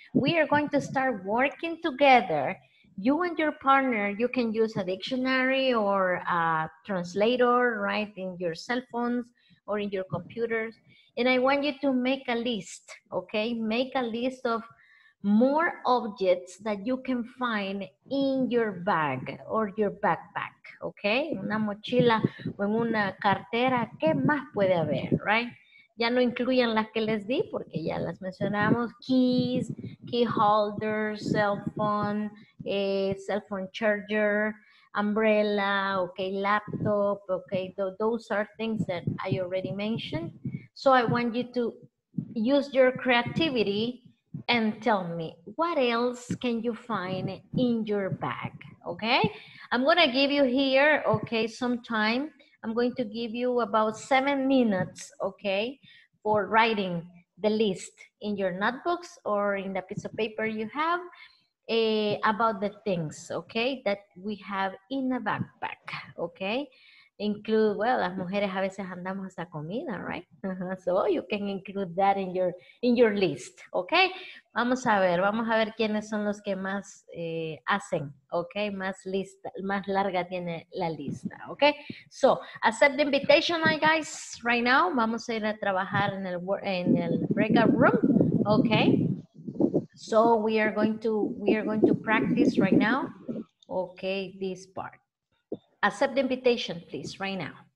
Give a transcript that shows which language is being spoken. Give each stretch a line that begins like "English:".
English: We are going to start working together. You and your partner, you can use a dictionary or a translator, right, in your cell phones or in your computers. And I want you to make a list, okay? Make a list of more objects that you can find in your bag or your backpack.
Spanish: Okay, una mochila o en una cartera, ¿qué más puede haber, right? Ya no incluyan las que les di porque ya las mencionamos,
English: keys, key holders, cell phone charger, umbrella, okay, laptop, okay, those are things that I already mentioned. So I want you to use your creativity and tell me, what else can you find in your bag? Okay, I'm gonna give you here, okay, some time. I'm going to give you about 7 minutes, okay, for writing the list in your notebooks or in the piece of paper you have about the things, okay, that we have in a backpack, okay? Include, well,
Spanish: las mujeres a veces andamos hasta comida, right?
English: So you can include that in your list, okay?
Spanish: Vamos a ver quiénes son los que más hacen, okay? Más lista, más larga tiene la lista, okay?
English: So, accept the invitation, my guys, right now.
Spanish: Vamos a ir a trabajar en el breakout room, okay?
English: So we are going to practice right now, okay, this part. Accept the invitation, please, right now.